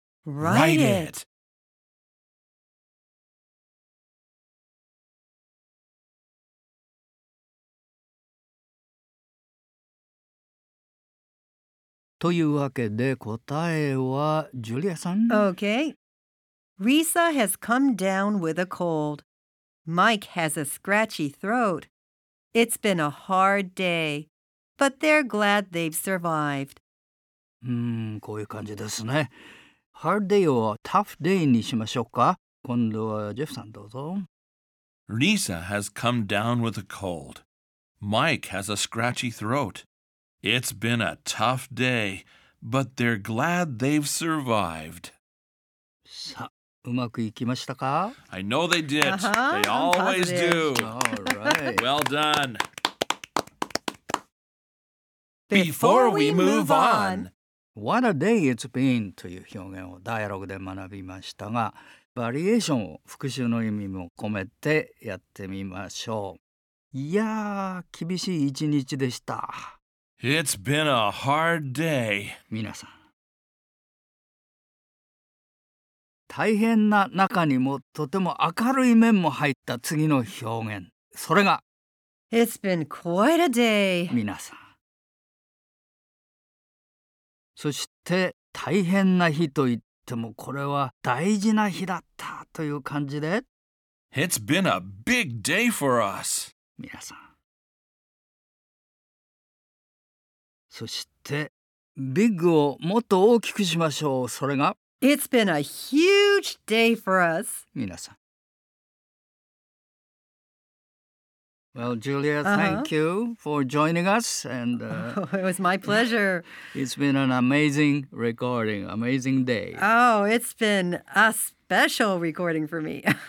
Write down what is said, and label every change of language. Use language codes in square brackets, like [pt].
[en] Write it! [ja] というわけで答えはジュリアさん。 [en] Okay. Risa has come down with a cold. Mike has a scratchy throat. It's been a hard day. But they're glad they've survived. [ja] こういう感じですね。 Hard day を tough day にしましょうか。今度はジェフさんどうぞ。 [en] Risa has come down with a cold. Mike has a scratchy throat. It's been a tough day, but they're glad they've survived. [ja] さあ、うまくいきましたか? [en] I know they did.、 Uh-huh. They always do. All right. Well done. Before we move on, what a day it's been [ja] という表現をダイアログで学びましたが、バリエーションを復習の意味も込めてやってみましょう。いやー、厳しい一日でした。 [en] It's been a hard day. [ja] 皆さん、大変な中にもとても明るい面も入った次の表現。それが、 [en] It's been quite a day. [ja] 皆さん、そして大変な日といってもこれは大事な日だったという感じで [en] It's been a big day for us [ja] 皆さんそしてビッグをもっと大きくしましょうそれが [en] It's been a huge day for us [ja] 皆さん [en] Well, Julia, thank you for joining us. And, it was my pleasure. It's been an amazing recording, amazing day. Oh, it's been a special recording for me.